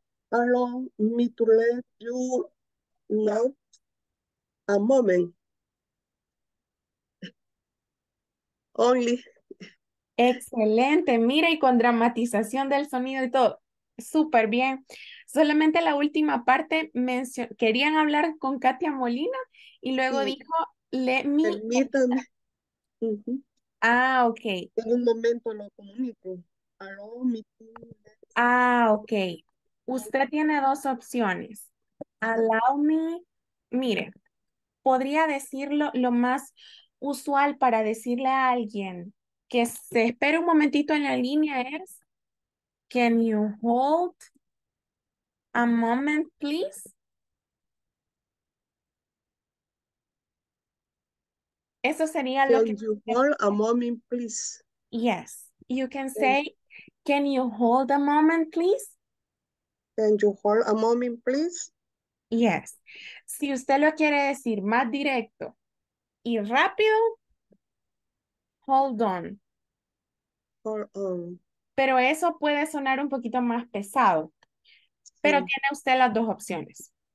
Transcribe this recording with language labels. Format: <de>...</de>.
<en>Allow me to let you know a moment. Only.</en> <es>Excelente, mira, y con dramatización del sonido y todo, súper bien. Solamente la última parte, querían hablar con Katia Molina y luego sí.</es> <en>Dijo, let me.</en> <es>Permítanme. Uh-huh. Ah, ok. En un momento lo comunico. Hello, mi tía. Ah, ok. Usted tiene dos opciones. Allow me, mire, podría decirlo lo más usual para decirle a alguien que se espere un momentito en la línea es</es> <en>can you hold a moment please?</en> <es>Eso sería</es> <en>can</en> <es>lo que</es> <en>you hold a moment please? Yes, you can say can you hold a moment please? Can you hold a moment please? Yes.</en> <es>Si usted lo quiere decir más directo y rápido,</es> <en>hold on. Hold on.</en> <es>Pero eso puede sonar un poquito más pesado. Pero sí. Tiene usted las dos opciones.</es>